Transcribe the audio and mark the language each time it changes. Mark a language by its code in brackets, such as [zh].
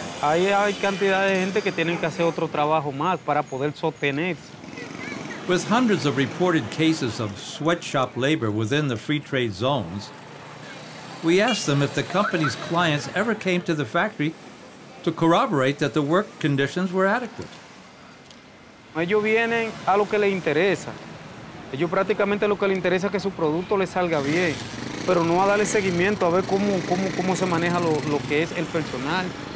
[es] Ahí hay cantidad de gente que tienen que hacer otro trabajo más para poder sostenerse. [en] With hundreds of reported cases of sweatshop labor within the free trade zones, we asked them if the company's clients ever came to the factory to corroborate that the work conditions were adequate. [es] Ellos vienen a lo que les interesa. Ellos prácticamente lo que les interesa es que su producto les salga bien, pero no a darle seguimiento a ver cómo se maneja lo que es el personal.